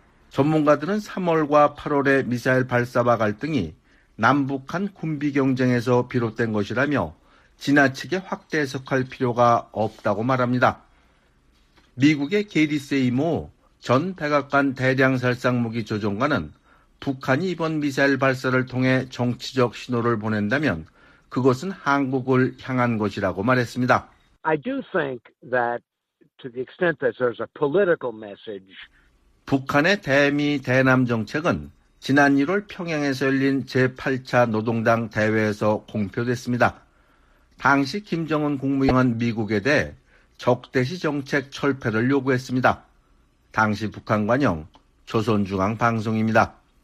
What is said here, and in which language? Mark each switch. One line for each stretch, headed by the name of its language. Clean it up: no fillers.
Korean: 전문가들은 3월과 8월의 미사일 발사와 갈등이 남북한 군비 경쟁에서 비롯된 것이라며 지나치게 확대 해석할 필요가 없다고 말합니다. 미국의 게리 세이모 전 백악관 대량살상무기 조종관은 북한이 이번 미사일 발사를 통해 정치적 신호를 보낸다면 그것은 한국을 향한 것이라고 말했습니다.
English: I do think that to the extent that there's a political message.
Korean: 북한의 대미 대남 정책은 지난 1월 평양에서 열린 제8차 노동당 대회에서 공표됐습니다. 당시 김정은 국무위원은 미국에 대해 적대시 정책 철폐를 요구했습니다. 당시 북한 관영 조선중앙방송입니다.